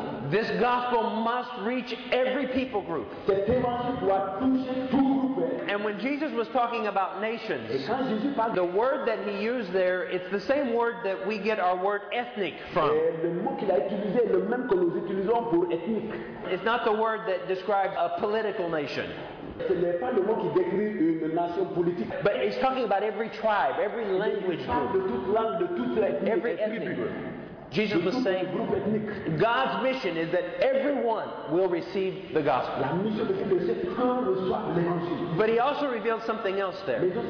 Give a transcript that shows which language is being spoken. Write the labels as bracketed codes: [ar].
[en] This gospel must reach every people group. And when Jesus was talking about nations, the word that he used there, it's the same word that we get our word ethnic from. It's not the word that describes a political nation. [fr] Ce n'est pas le mot qui décrit une nation politique. [en] But he's talking about every tribe, every language group. [fr] De toute langue, de toute ethnie, [en] every ethnic group. Jesus was saying, God's mission is that everyone will receive the gospel. But he also revealed something else there.